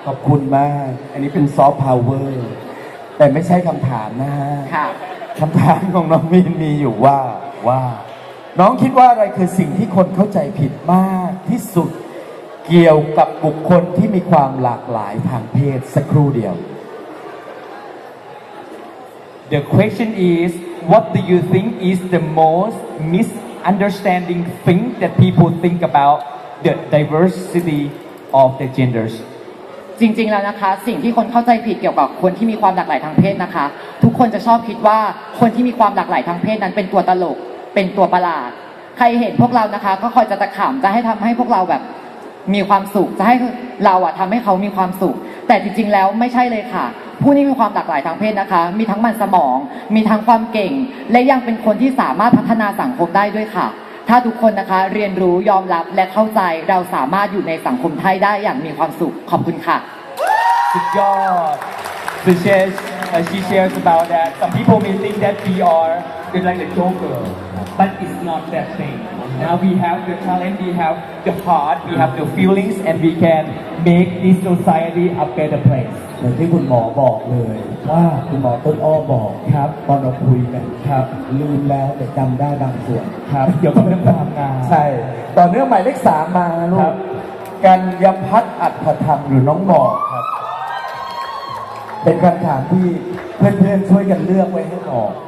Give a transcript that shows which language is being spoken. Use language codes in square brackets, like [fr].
[th] ขอบคุณมากอันนี้เป็นซอฟต์พาวเวอร์แต่ไม่ใช่คำถามนะฮะ ค่ะ คำถามของน้องมีนมีอยู่ว่าน้องคิดว่าอะไรคือสิ่งที่คนเข้าใจผิดมากที่สุดเกี่ยวกับบุคคลที่มีความหลากหลายทางเพศสักครู่เดียว [en] The question is what do you think is the most misunderstanding thing that people think about the diversity of the genders [th] จริงๆแล้วนะคะสิ่งที่คนเข้าใจผิดเกี่ยวกับคนที่มีความหลากหลายทางเพศนะคะทุกคนจะชอบคิดว่าคนที่มีความหลากหลายทางเพศนั้นเป็นตัวตลกเป็นตัวประหลาดใครเห็นพวกเรานะคะก็คอยจะตะขำจะให้ทำให้พวกเราแบบ มีความสุขจะให้เราอะทำให้เขามีความสุขแต่จริงๆแล้วไม่ใช่เลยค่ะผู้นี้มีความหลากหลายทางเพศนะคะมีทั้งมันสมองมีทั้งความเก่งและยังเป็นคนที่สามารถพัฒนาสังคมได้ด้วยค่ะถ้าทุกคนนะคะเรียนรู้ยอมรับและเข้าใจเราสามารถอยู่ในสังคมไทยได้อย่างมีความสุขขอบคุณค่ะ สุดยอด [en] she shares about that some people may think that we are been like a joker. But it's not that thing. Now we have the talent, we have the heart, we have the feelings, and we can make this society a better place. [th] อย่างที่คุณหมอบอกเลยว่าคุณหมอต้นอ้อบอก ครับ ตอนเราคุยกัน ครับ ลืมแล้วแต่จำได้บางส่วน ครับเกี่ยวกับเรื่องความงาม ใช่ต่อเนื่องหมายเลข3มาลูกกัญญพัฒน์อัตถธรรมหรือน้องหมอครับเป็นคำถามที่เพื่อนๆช่วยกันเลือกไว้ให้หมอ